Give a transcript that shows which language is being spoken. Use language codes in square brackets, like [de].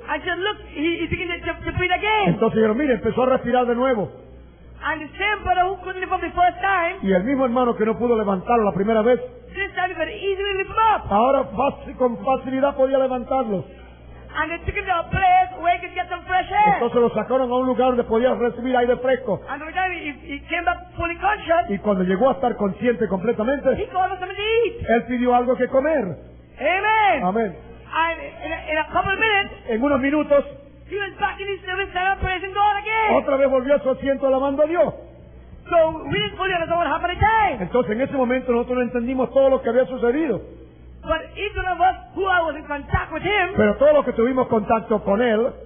[en] And just look, he began to breathe again. [es] Entonces dijeron, mire, empezó a respirar de nuevo. [en] And the same brother who couldn't lift up the first time. [es] Y el mismo hermano que no pudo levantarlo la primera vez. [en] This time he could easily lift him up. [es] Ahora con facilidad podía levantarlo. [en] And they took him to a place where he could get some fresh air. [es] Entonces lo sacaron a un lugar donde podía recibir aire fresco. [en] And every time he came back fully conscious. [es] Y cuando llegó a estar consciente completamente. [en] He called for something to eat. [es] Él pidió algo que comer. [en] Amen. [es] Amen. [en] And in a couple of minutes. [es] En unos minutos. [en] He was back in his service, stand up, praising God again. [es] Otra vez volvió a su asiento alabando a Dios. [en] So we didn't fully understand what happened at the time. [es] Entonces en ese momento nosotros no entendimos todo lo que había sucedido. [en] But each one of us who I was in contact with him. [es] Pero todos los que tuvimos contacto con él.